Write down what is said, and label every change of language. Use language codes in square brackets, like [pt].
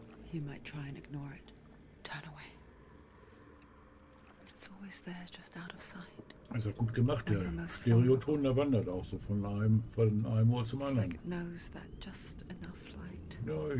[en] You might try and ignore it, turn away. But it's always there, just out of sight. [de] Also gut gemacht, der Stereoton, der wandert auch so von einem Ohr zum anderen. [en] It knows that just enough light.